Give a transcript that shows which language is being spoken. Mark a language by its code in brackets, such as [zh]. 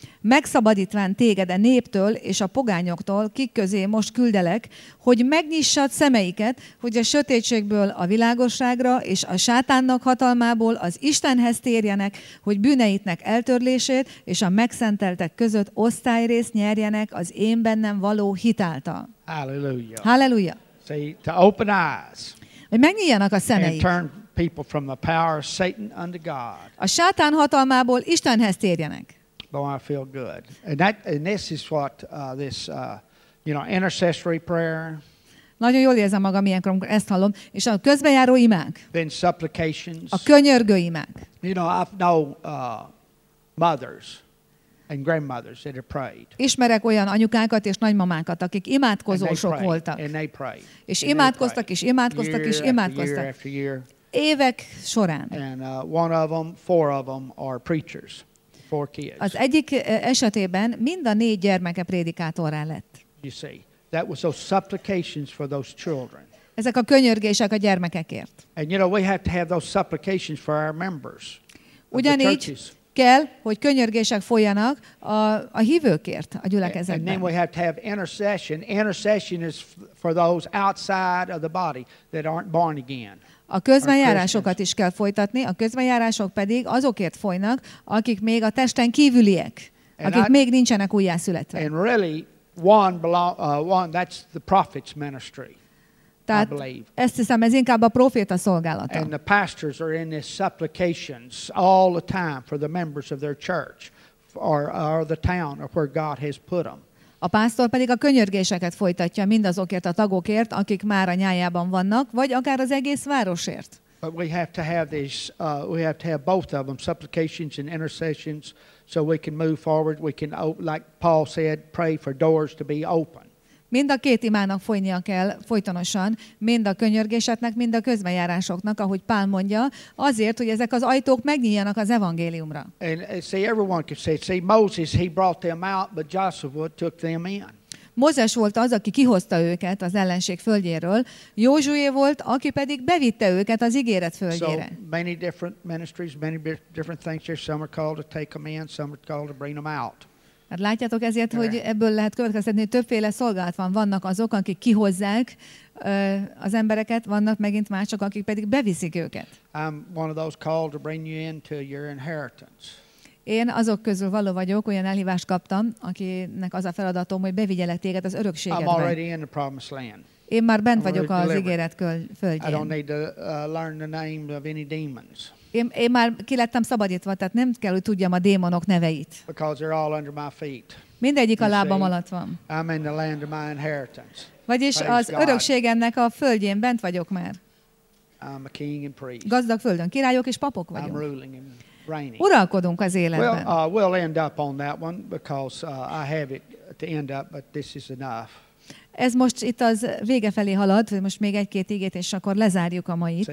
[hu] Megszabadítván téged a néptől és a pogányoktól, kik közé most küldelek, hogy megnyissad szemeiket, hogy a sötétségből a világosságra és a sátánnak hatalmából az Istenhez térjenek, hogy bűneitnek eltörlését és a megszenteltek között osztályrészt nyerjenek az én bennem való hitáltal. Hallelujah. Hallelujah. [en] See, to open eyes. [hu] Hogy megnyíljanak a szemeik. [en] And turn people from the power of Satan unto God. [hu] A sátán hatalmából Istenhez térjenek. [en] Oh, I feel good. And this is what intercessory prayer. [hu] Nagyon jól érzem magam ilyenkor, amikor ezt hallom. És a közbenjáró imák. [en] Then supplications. [hu] A könyörgő imák. [en] You know, I know mothers and grandmothers that have prayed. [hu] Ismerek olyan anyukákat és nagymamákat, akik imádkozósok voltak. [en] And they prayed. [hu] És imádkoztak, és imádkoztak, és imádkoztak. Évek során. [en] And one of them, four of them are preachers. Four kids. [hu] Az egyik esetében mind a négy gyermeke prédikátorrá lett. [en] You see, that was those supplications for those children. [hu] Ezek a könyörgések a gyermekekért. [en] And you know, we have to have those supplications for our members. [hu] Ugyanígy kell, hogy könyörgések folyanak a hívőkért, a gyülekezetben. [en] And then we have to have intercession. Intercession is for those outside of the body that aren't born again. [hu] A közbenjárásokat is kell folytatni, a közbenjárások pedig azokért folynak, akik még a testen kívüliek, akik még nincsenek újjászületve. [en] And really, one, that's the prophet's ministry. [hu] Tehát ezt hiszem, ez inkább a proféta szolgálata. [en] And the pastors are in these supplications all the time for the members of their church or the town or where God has put them. [hu] A pásztor pedig a könyörgéseket folytatja mindazokért a tagokért, akik már a nyájában vannak, vagy akár az egész városért. [en] But we have to have these, we have to have both of them, supplications and intercessions, so we can move forward. We can, like Paul said, pray for doors to be open. [hu] Mind a két imának folynia kell folytonosan, mind a könyörgésetnek, mind a közbenjárásoknak, ahogy Pál mondja, azért, hogy ezek az ajtók megnyíljanak az evangéliumra. [en] And see, everyone can say, see, Moses, he brought them out, but Joshua took them in. [hu] Mózes volt az, aki kihozta őket az ellenség földjéről, Józsué volt, aki pedig bevitte őket az ígéret földjére. [en] So many different ministries, many different things here. Some are called to take them in, some are called to bring them out. [hu] Hát látjátok ezért, hogy ebből lehet következtetni, hogy többféle szolgálat van. Vannak azok, akik kihozzák az embereket, vannak megint mások, akik pedig beviszik őket. [en] I'm one of those called to bring you into your inheritance. [hu] Én azok közül való vagyok, olyan elhívást kaptam, akinek az a feladatom, hogy bevigyelek téged az örökségedbe. [en] I'm already in the promised land. [hu] Én már bent vagyok az ígéret földjén. [en] I don't need to learn the name of any demons. [hu] Én már ki lettem szabadítva, tehát nem kell, hogy tudjam a démonok neveit. [en] Because they're all under my feet. [hu] Mindegyik a lábam alatt van. [en] I'm in the land of my inheritance. [hu] Vagyis az örökségemnek a földjén bent vagyok már. [en] I'm a king and priest. [hu] Gazdag földön, királyok és papok vagyunk. [en] I'm ruling and reigning. [hu] Uralkodunk az életben. [en] We'll end up on that one because I have it to end up, but this is enough. [hu] Ez most itt az vége felé halad, most még egy-két ígét, és akkor lezárjuk a mait.